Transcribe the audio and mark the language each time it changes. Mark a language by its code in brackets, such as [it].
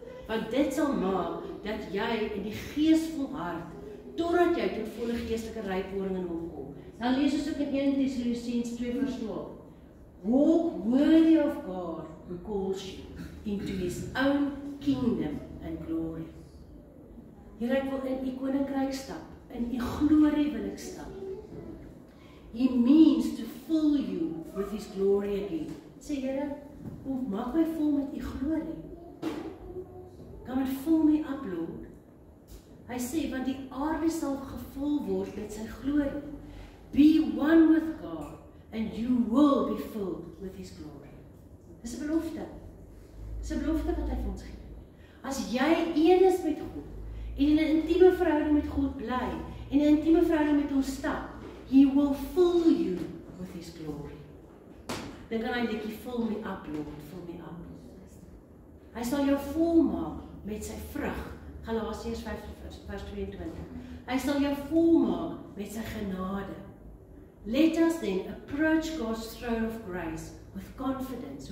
[af] Want dit sal maak dat jy in die gees volhard totdat jy tot volle geestelike rykwording in hom kom. Dan lees ons ook in 1 Tessalonisense 2:12. [en] Walk worthy of God who calls you into his own kingdom and glory. [af] Here ek wil in u koninkryk stap, in u glorie wil ek stap. [en] He means to fill you with his glory again. [af] Sê Here, kom maak my vol met u glorie. [en] Come and fill me up, Lord. [af] Hy sê, want die aarde sal gevul word met sy glorie. [en] Be one with God, and you will be filled with his glory. [af] Dis 'n belofte. Dis 'n belofte wat hy vir ons gee. As jy een is met God, en in 'n intieme verhouding met God bly en 'n intieme verhouding met ons stap, [en] He will fill you with His glory. [af] Dink aan hy liedjie, vul my up, Lord, vul my up. Hy sal jou volmaak met sy vrug. Galasiërs 5:22. Hy sal jou volmaak met sy genade. [en] Let us then approach God's throne of grace with confidence.